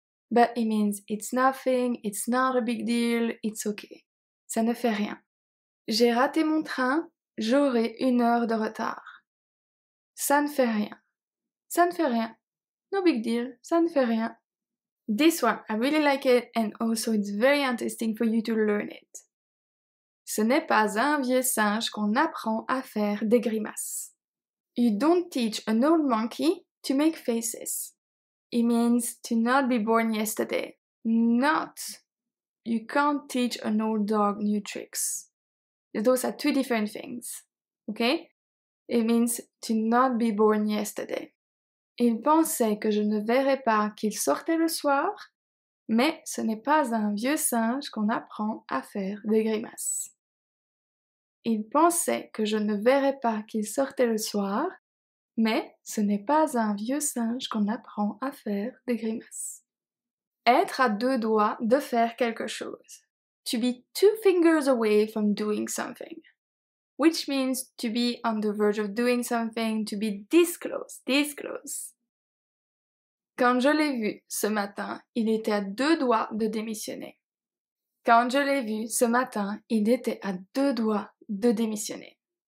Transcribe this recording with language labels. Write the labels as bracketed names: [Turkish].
[English] But it means it's nothing. It's not a big deal. It's okay. [French] Ça ne fait rien. J'ai raté mon train. J'aurai une heure de retard. Ça ne fait rien. Ça ne fait rien. [English] No big deal. [French] Ça ne fait rien. [English] This one, I really like it and also it's very interesting for you to learn it. [French] Ce n'est pas à un vieux singe qu'on apprend à faire des grimaces. [English] You don't teach an old monkey to make faces. It means to not be born yesterday. Not. You can't teach an old dog new tricks. Those are two different things. Okay? It means to not be born yesterday. [French] Il pensait que je ne verrais pas qu'il sortait le soir, mais ce n'est pas un vieux singe qu'on apprend à faire des grimaces. Il pensait que je ne verrais pas qu'il sortait le soir, mais ce n'est pas un vieux singe qu'on apprend à faire des grimaces. Être à deux doigts de faire quelque chose. [English] To be two fingers away from doing something. Which means to be on the verge of doing something, to be this close, this close. [French] Quand je l'ai vu ce matin, il était à deux doigts de démissionner. Quand je l'ai vu ce matin, il était à deux doigts de démissionner.